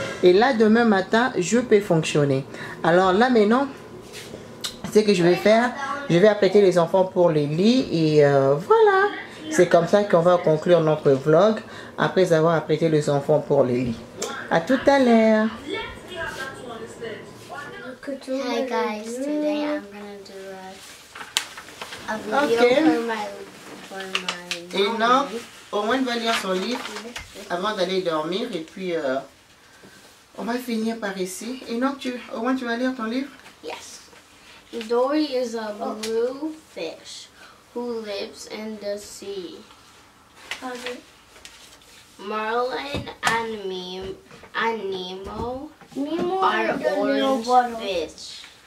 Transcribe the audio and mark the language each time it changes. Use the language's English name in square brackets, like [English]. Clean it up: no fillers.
[French] Et là, demain matin, je peux fonctionner. Alors là, maintenant, ce que je vais faire, je vais apprêter les enfants pour les lits. Et voilà, c'est comme ça qu'on va conclure notre vlog après avoir apprêté les enfants pour les lits. À tout à l'heure. [English] Hi guys, today I'm gonna do a video for my [French] et non, au moins il va lire son livre avant d'aller dormir et puis on va finir par ici. Et non, au moins tu vas lire ton livre? [English] Yes. Dory is a blue fish who lives in the sea. Marlin and Nemo. Nemo are orange fish.